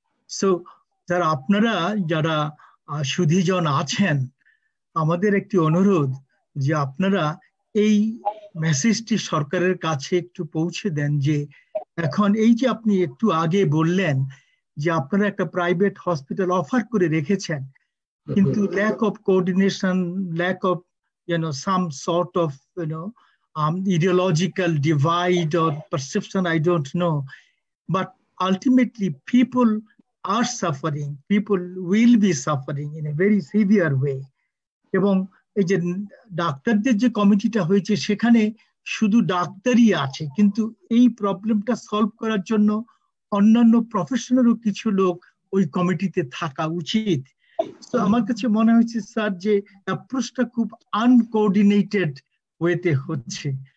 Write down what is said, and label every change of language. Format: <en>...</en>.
<bn>So sir আপনারা যারা সুধীজন আছেন, আমাদের একটি অনুরোধ যে আপনারা এই মেসেজটি সরকারের কাছে একটু পৌঁছে দেন, যে এখন এই যে আপনি একটু আগে বললেন যে আপনারা একটা প্রাইভেট হসপিটাল অফার করে রেখেছেন, কিন্তু</bn> <en>Lack of coordination, lack of you know some sort of you know ideological divide or perception, I don't know, but ultimately people are suffering, people will be suffering in a very severe way.</en> <bn>এবং এই যে ডাক্তারদের যে কমিটিটা হয়েছে সেখানে শুধু ডাক্তারই আছে, কিন্তু এই প্রবলেমটা সলভ করার জন্য অন্যান্য প্রফেশনালও কিছু লোক ওই কমিটিতে থাকা উচিত। তো আমার কাছে মনে হচ্ছে স্যার যে অ্যাপ্রোচটা খুব আনকোঅর্ডিনেটেড ওয়েতে হচ্ছে।</bn>